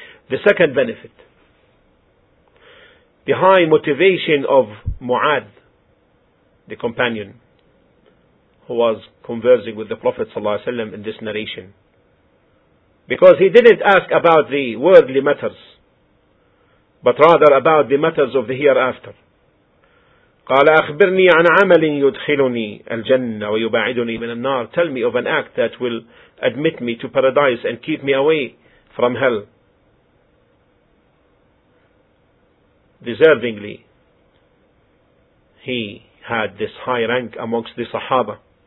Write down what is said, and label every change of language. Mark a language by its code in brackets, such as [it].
[en] The second benefit, the high motivation of Mu'adh, the companion, who was conversing with the Prophet ﷺ in this narration. Because he didn't ask about the worldly matters, but rather about the matters of the hereafter. [ar] قال أخبرني عن عمل يدخلني الجنة ويباعدني من النار. [en] Tell me of an act that will admit me to paradise and keep me away from hell. Deservingly, he had this high rank amongst the Sahaba.